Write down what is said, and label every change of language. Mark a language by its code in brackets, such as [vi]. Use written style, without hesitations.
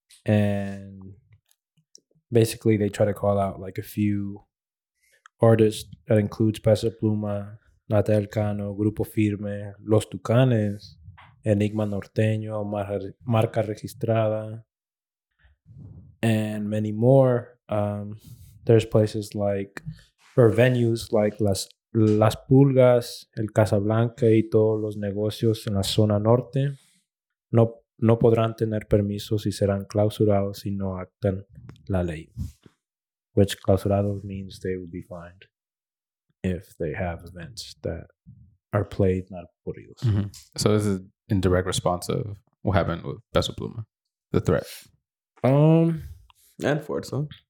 [en] And basically they try to call out like a few artists that includes Peso Pluma, Nata El Cano, Grupo Firme, Los Tucanes, Enigma Norteño, Marca Registrada, and many more. There's places like, or venues like [es] Las Pulgas, El Casablanca y todos los negocios en la zona norte no podrán tener permisos y serán clausurados si no actan la ley. [en] Which clausurado means they will be fined if they have events that are played not corridos. Mm-hmm. So this is in direct response of what happened with Peso Pluma, the threat. And Forza.